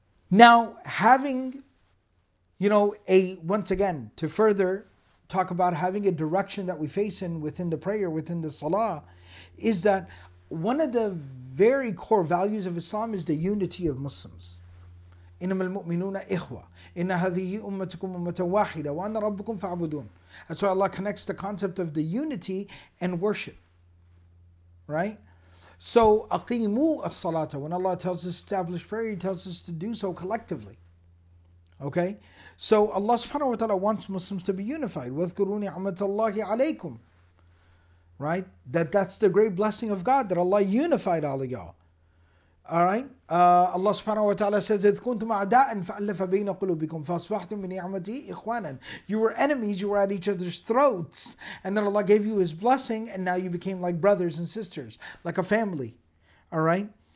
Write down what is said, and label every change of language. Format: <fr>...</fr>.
<en>Now, having, you know, a, once again, to further talk about having a direction that we face in within the prayer, within the salah, is that one of the very core values of Islam is the unity of Muslims.</en> <ar>إِنَّمَا الْمُؤْمِنُونَ إِخْوَةٌ إِنَّ هَذِهِ أُمَّتُكُمْ أُمَّةً وَاحِدَةً وَأَنَّ رَبُّكُمْ فَاعْبُدُونَ.</ar> <en>That's why Allah connects the concept of the unity and worship. Right?</en> <ar>So, أَقِيمُوا الصَّلَاةَ.</ar> <en>When Allah tells us to establish prayer, He tells us to do so collectively. Okay? So Allah subhanahu wa ta'ala wants Muslims to be unified.</en> <ar>وَذْكُرُونِ عَمَتَ اللَّهِ عَلَيْكُمْ.</ar> <en>Right? That's the great blessing of God, that Allah unified all of y'all. All right. Allah subhanahu wa ta'ala says,</en> <ar>إِذْ كُنْتُمْ أَعْدَاءً فَأَلَّفَ بَيْنَ قُلُوبِكُمْ فَأَصْبَحْتُمْ بِنِعْمَتِي إِخْوَانًا.</ar> <en>You were enemies, you were at each other's throats. And then Allah gave you His blessing, and now you became like brothers and sisters, like a family. All right.</en>